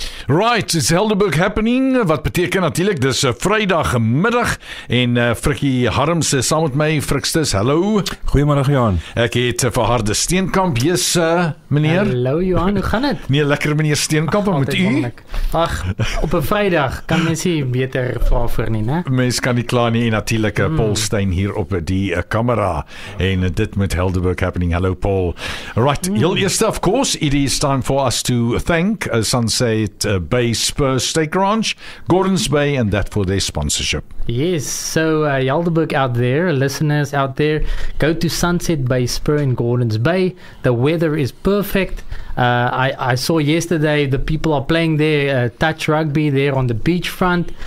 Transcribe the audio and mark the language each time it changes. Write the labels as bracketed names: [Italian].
[English] Right, it's Helderberg happening, [Afrikaans] wat beteken natuurlijk, dis vrijdagmiddag en Frikkie Harms is saam met my, Frikstus, hallo. Goeiemiddag Johan. Ek het vir Harde Steenkamp, [English] yes [Afrikaans] meneer. Hallo Johan, hoe gaan het? Nee, lekker meneer Steenkamp, ach, met u. Ach, op een vrijdag kan mens hier beter vraag voor nie, ne? Mens kan nie klaar nie en natuurlijk Paul Stein hier op die camera en dit met Helderberg happening, hallo Paul. [English] Right, heel eerste, of course, it is time for us to thank Sunset Bay Spur Steak Ranch, Gordons Bay, and that for their sponsorship. Yes, so Helderberg out there, listeners out there, go to Sunset Bay Spur in Gordons Bay. The weather is perfect. I saw yesterday the people are playing there, touch rugby there on the beachfront.